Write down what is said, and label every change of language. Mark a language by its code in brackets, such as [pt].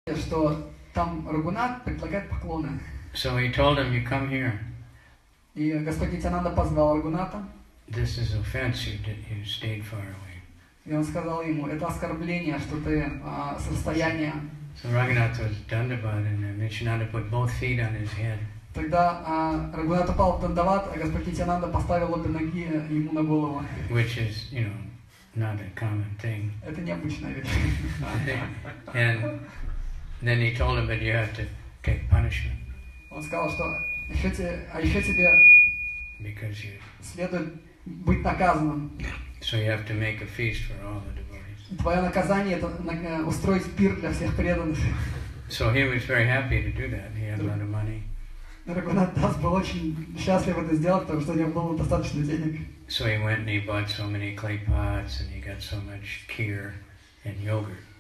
[ru] что там Рагунат предлагает поклоны. [en] So he told him, you come here. [ru] И господин Тянанда позвал Рагуната. [en] This is offense you stayed far away. [ru] И он сказал ему, это оскорбление, что ты с расстояния. [en] So Raghunath was dandavat and Nityananda put both feet on his head. [ru] Тогда Рагунат упал в дандават, а господин Тянанда поставил обе ноги ему на голову. [en] Which is, you know, not a common thing. [ru] Это необычная вещь. [en] And then he told him that you have to take punishment. [ru] Он сказал, что еще тебе следует быть наказанным. [en] So you have to make a feast for all the devotees. [ru] Твое наказание это устроить пир для всех преданных. [en] So he was very happy to do that. He had a lot of money. [ru] Рагунат Дас был очень счастлив это сделать, потому что у него было достаточно денег. [en] So he went and he bought so many clay pots and he got so much kheer and yogurt.